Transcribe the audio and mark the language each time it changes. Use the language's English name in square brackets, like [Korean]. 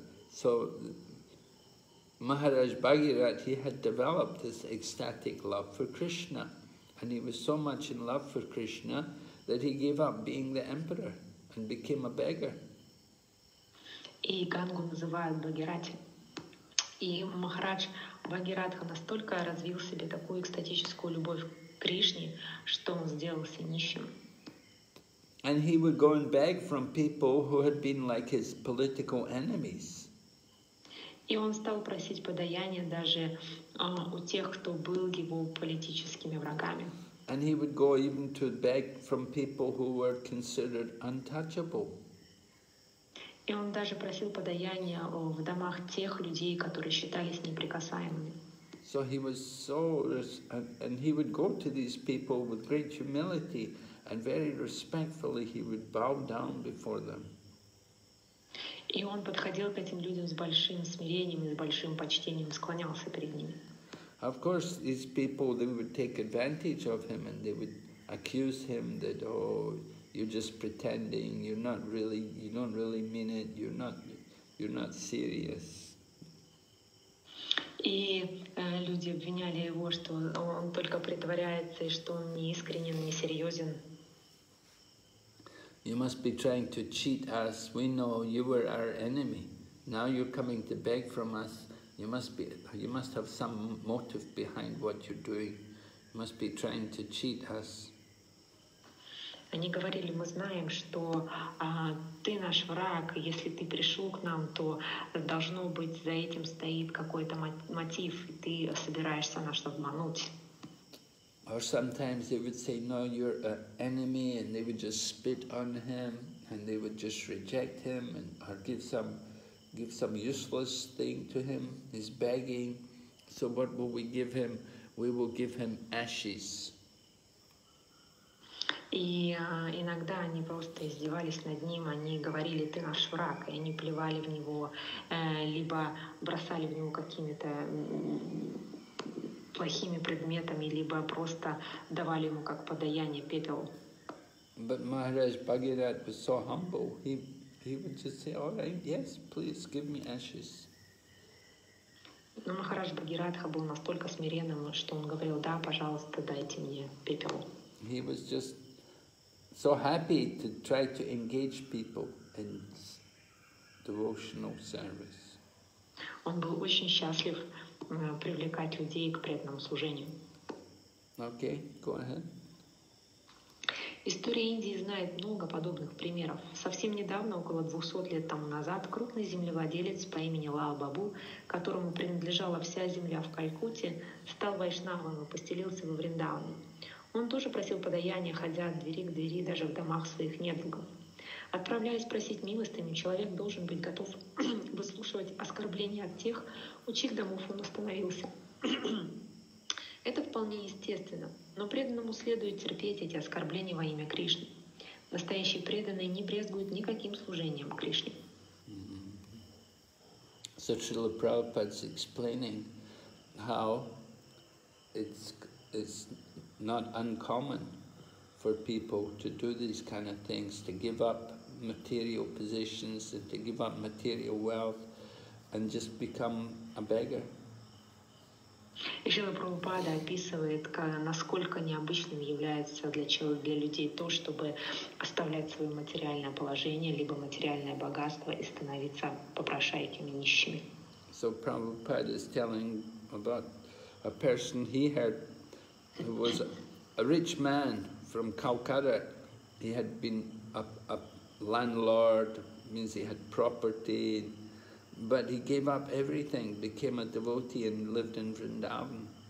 [English] So Maharaj Bhagirath, he had developed this ecstatic love for Krishna, and he was so much in love for Krishna that he gave up being the emperor and became a beggar. [Russian] И Гангу называют Бхагирати. И Махарадж Бхагиратха настолько развил себе такую экстатическую любовь к Кришне, что он сделался нищим. [English] And he would go and beg from people who had been like his political enemies. [Russian] И он стал просить подаяния даже у тех, кто был его политическими врагами. [English] And he would go even to beg from people who were considered untouchable. [Russian] И он даже просил подаяния в домах тех людей, которые считались неприкасаемыми. [English] So he was so, and he would go to these people with great humility, and very respectfully he would bow down before them. [Russian] И он подходил к этим людям с большим смирением и с большим почтением, склонялся перед ними. [English] Of course, these people, they would take advantage of him and they would accuse him that, oh, you're just pretending, you're not really, you don't really mean it, you're not serious. [Russian] И люди обвиняли его, что он только притворяется и что он не искренен, не серьезен. [English] You must be trying to cheat us. We know you were our enemy. Now you're coming to beg from us. You must have some motive behind what you're doing. You must be trying to cheat us. [Russian] Они говорили, мы знаем, что ты наш враг. Если ты пришел к нам, то должно быть за этим стоит какой-то мотив, и ты собираешься нас обмануть. [English] Or sometimes they would say, no, you're an enemy, and they would just spit on him, and they would just reject him, and or give some useless thing to him. He's begging. So what will we give him? We will give him ashes. [Russian] И иногда они просто издевались над ним, они говорили, ты наш враг, и они плевали в него, либо бросали в него какими-то плохими предметами, либо просто давали ему как подаяние пепел. [English] But Maharaj Bhagirath was so humble, he would just say, all right, yes, please, give me ashes. [Russian] Но Махарадж Бхагиратха был настолько смиренным, что он говорил, да, пожалуйста, дайте мне пепел. [English] He was just so happy to try to engage people in devotional service. [Russian] Он был очень счастлив привлекать людей к преданному служению. [English] Okay, go ahead. [Russian] История Индии знает много подобных примеров. Совсем недавно, около 200 лет тому назад, крупный землевладелец по имени Лал Бабу, которому принадлежала вся земля в Калькутте, стал вайшнавом и поселился во Вриндаване. Он тоже просил подаяния, ходя от двери к двери, даже в домах своих недругов. Отправляясь просить милостыню, человек должен быть готов выслушивать оскорбления от тех, у чьих домов он остановился. Это вполне естественно, но преданному следует терпеть эти оскорбления во имя Кришны. Настоящий преданный не брезгует никаким служением Кришне. [English] So Srila Prabhupada's explaining how it's not uncommon for people to do these kind of things, to give up material positions and to give up material wealth and just become a beggar. [Russian] Шрила Прабхупада описывает, насколько необычным является для людей то, чтобы оставлять свое материальное положение, либо материальное богатство и становиться попрошайками, нищими. [English] So Prabhupada is telling about a person he had who was a rich man from Calcutta. He had been a landlord, means he had property, but he gave up everything, became a devotee and lived in Vrindavan.